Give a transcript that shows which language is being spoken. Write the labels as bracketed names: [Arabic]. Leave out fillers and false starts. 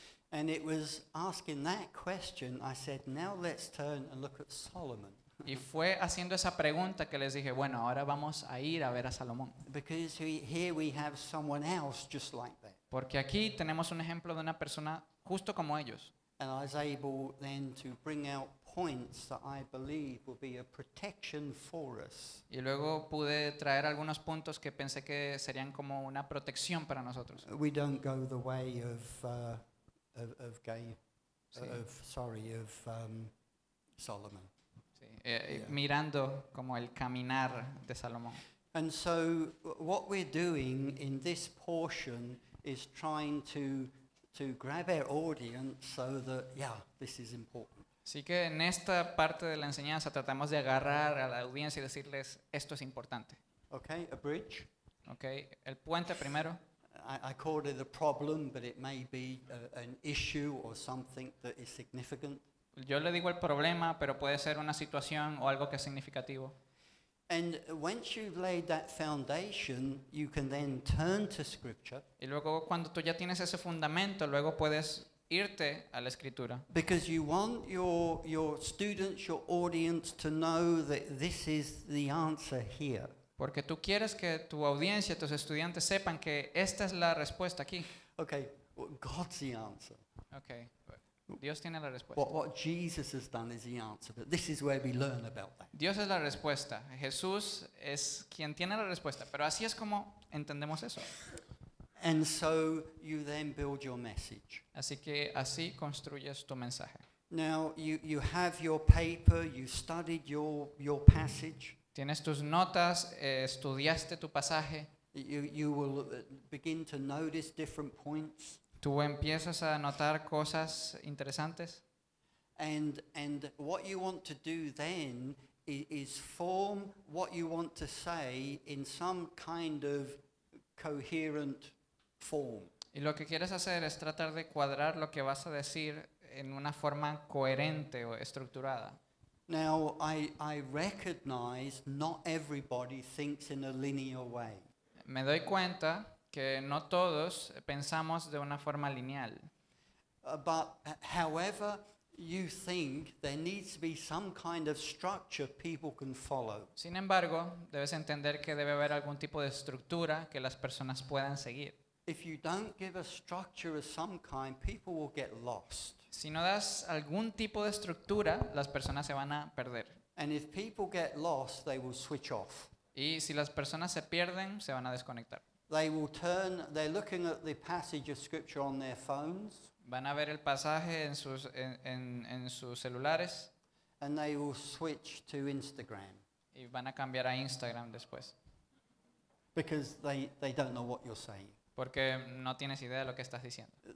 [English] And it was asking that question, I said, now let's turn and look at Solomon. [Spanish] Y fue haciendo esa pregunta que les dije, bueno, ahora vamos a ir a ver a Salomón. [English] Because here we have someone else just like that. [Spanish] Porque aquí tenemos un ejemplo de una persona justo como ellos. [English] And I was able then to bring out points that I believe will be a protection for us. [Spanish] Y luego pude traer algunos puntos que pensé que serían como una protección para nosotros. [English] We don't go the way of Solomon. [Spanish] Sí. Mirando como el caminar de Salomón. [English] And so what we're doing in this portion is trying to grab our audience so that, yeah, this is important. [Spanish] Así que en esta parte de la enseñanza tratamos de agarrar a la audiencia y decirles esto es importante. [English] Okay, a bridge. [Spanish] Okay, el puente primero. [English] I called it a problem, but it may be an issue or something that is significant. [Spanish] Yo le digo el problema, pero puede ser una situación o algo que es significativo. [English] And once you've laid that foundation, you can then turn to scripture. [Spanish] Y luego cuando tú ya tienes ese fundamento, luego puedes irte a la escritura. [English] Because you want your students, your audience to know that this is the answer here. [Spanish] Porque tú quieres que tu audiencia, tus estudiantes sepan que esta es la respuesta aquí. [English] Okay, well, God's the answer. [Spanish] Okay. Dios tiene la respuesta. [English] What Jesus has done is the answer, but this is where we learn about that. [Spanish] Dios es la respuesta. Jesús es quien tiene la respuesta, pero así es como entendemos eso. [English] And so you then build your message. [Spanish] Así que así construyes tu mensaje. [English] Now you have your paper, you studied your passage. [Spanish] Tienes tus notas, estudiaste tu pasaje. [English] You will begin to notice different points. [Spanish] Tú empiezas a notar cosas interesantes. [English] And what you want to do then is form what you want to say in some kind of coherent form. [Spanish] Y lo que quieres hacer es tratar de cuadrar lo que vas a decir en una forma coherente o estructurada. [English] Now I recognize not everybody thinks in a linear way. [Spanish] Me doy cuenta que no todos pensamos de una forma lineal. [English] But however you think, there needs to be some kind of structure people can follow. [Spanish] Sin embargo, debes entender que debe haber algún tipo de estructura que las personas puedan seguir. [English] If you don't give a structure of some kind, people will get lost. [Spanish] Si no das algún tipo de estructura, las personas se van a perder. [English] And if people get lost, they will switch off. [Spanish] Y si las personas se pierden, se van a desconectar. [English] They will turn, they're looking at the passage of scripture on their phones. [Spanish] Van a ver el pasaje en sus celulares. [English] And they will switch to Instagram. [Spanish] Y van a cambiar a Instagram después. [English] Because they don't know what you're saying. [Spanish] Porque no tienes idea de lo que estás diciendo.